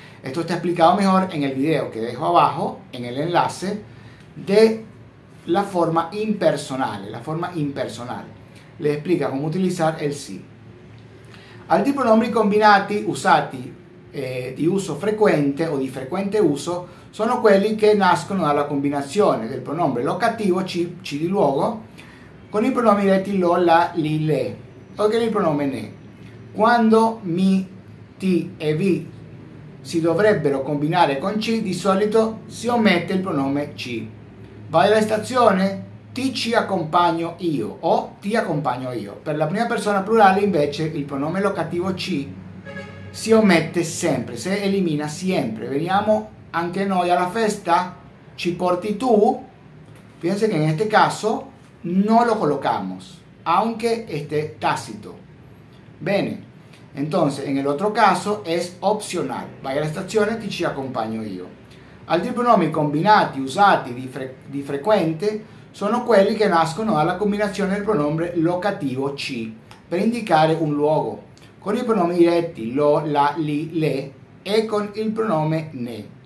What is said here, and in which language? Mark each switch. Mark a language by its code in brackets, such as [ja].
[es] Esto está explicado mejor en el video que dejo abajo, en el enlace, de la forma impersonale. La forma impersonale le explica cómo utilizar el si. [it] Altri pronomi combinati usati di uso frequente o di frequente uso sono quelli che nascono dalla combinazione del pronome locativo ci, ci di luogo, con i pronomi diretti lo, la, li, le, o con il pronome ne. Quando mi, ti e vi si dovrebbero combinare con ci, di solito si omette il pronome ci. Vai alla stazione? Ti ci accompagno io, o ti accompagno io. Per la prima persona plurale, invece, il pronome locativo ci si omette sempre, si elimina sempre. Veniamo anche noi alla festa? Ci porti tu? Pensa che in questo caso [es] no lo colocamos, aunque esté tácito. [it] Bene, [es] entonces en el otro caso es opcional. [it] Vai alla stazione, ti ci accompagno io. Altri pronomi combinati, usati di frequente, sono quelli che nascono dalla combinazione del pronome locativo ci, per indicare un luogo, con i pronomi diretti lo, la, li, le, e con il pronome ne.